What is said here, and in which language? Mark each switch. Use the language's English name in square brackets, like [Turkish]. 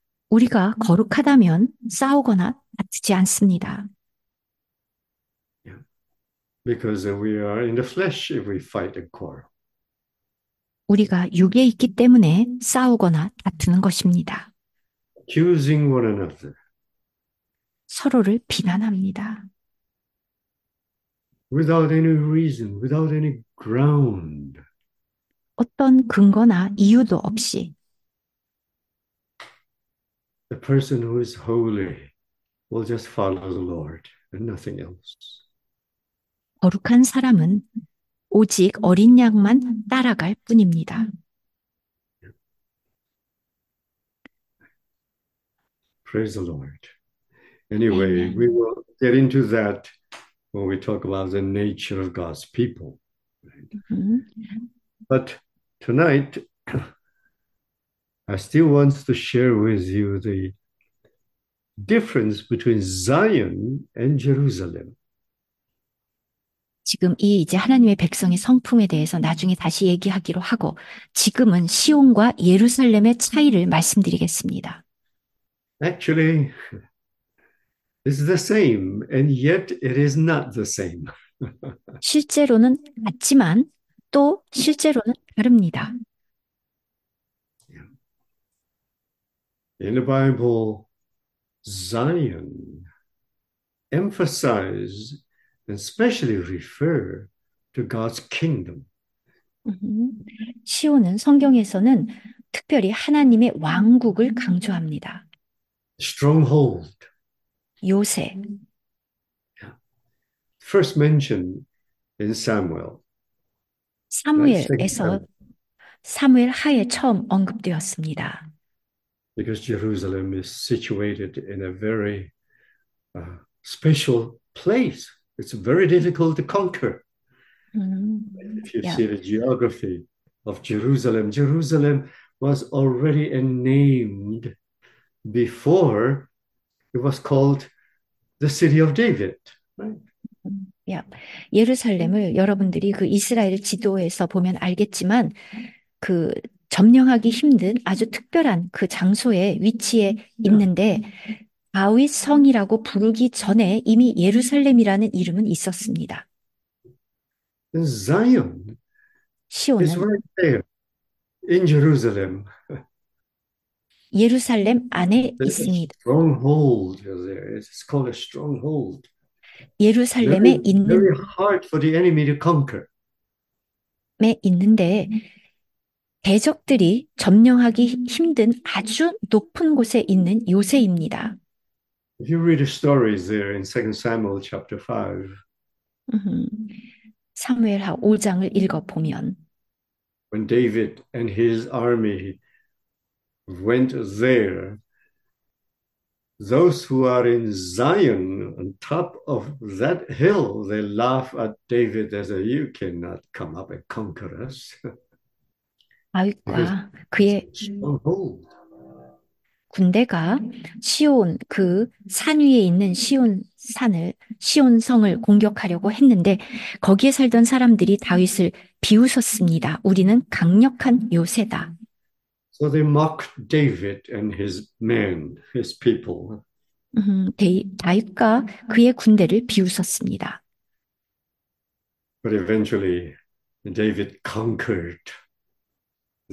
[Korean] 우리가 거룩하다면 싸우거나 다투지 않습니다. [English] Because we are in the flesh if we fight and quarrel. [Korean] 우리가 육에 있기 때문에 싸우거나 다투는 것입니다. [English] Accusing one another. [Korean] 서로를 비난합니다. [English] Without any reason, without any ground. [Korean] 어떤 근거나 이유도 없이 [English] The person who is holy will just follow the Lord and nothing else. [Korean] 거룩한 사람은 오직 어린 양만 따라갈 뿐입니다. [English] Praise the Lord. Anyway, we Amen. will get into that when we talk about the nature of God's people. But tonight, I still want to share with you the difference between Zion and Jerusalem. [Korean] 지금 이 이제 하나님의 백성의 성품에 대해서 나중에 다시 얘기하기로 하고, 지금은 시온과 예루살렘의 차이를 말씀드리겠습니다. [English] Actually, it's the same, and yet it is not the same. [Korean] 실제로는 같지만 또 실제로는 다릅니다. [English] In the Bible, Zion emphasizes and especially refer to God's kingdom. [Korean] 시온은 성경에서는 특별히 하나님의 왕국을 강조합니다. [English] Stronghold. [Korean] 요새. [English] First mentioned in Samuel, right? Second [Korean] 사무엘에서 [English] Samuel. [Korean] 사무엘 하에 처음 언급되었습니다. [English] Because Jerusalem is situated in a very special place. It's very difficult to conquer. If you see the geography of Jerusalem, Jerusalem was already named before it was called the City of David, right? [Korean] 예루살렘을 여러분들이 그 이스라엘 지도에서 보면 알겠지만 그 점령하기 힘든 아주 특별한 그 장소에 위치해 있는데 다윗 성이라고 부르기 전에 이미 예루살렘이라는 이름은 있었습니다. [English] And Zion is [Korean] 시온은 [English] right there in Jerusalem. [Korean] 예루살렘 안에 [English] There's a [Korean] 있습니다. [English] stronghold there. It's called a stronghold. [Korean] 예루살렘에 [English] Very hard for the enemy to conquer. [Korean] 있는데 대적들이 점령하기 힘든 아주 높은 곳에 있는 요새입니다. [English] If you read the stories there in 2 Samuel chapter 5, [Korean] 사무엘하 5장을 읽어보면 [English] when David and his army went there, Those who are in Zion, on top of that hill, they laugh at David as a, you cannot come up and conquer us. Because [Korean] 아윗과 [English] it's [Korean] 그의 [English] stronghold. [Korean] 군대가 시온 그산 위에 있는 시온 산을 시온성을 공격하려고 했는데 거기에 살던 사람들이 다윗을 비웃었습니다. 우리는 강력한 요새다. [English] So they mocked David and his men, his people. [Korean] 다윗과 그의 군대를 비웃었습니다. [English] But eventually, David conquered that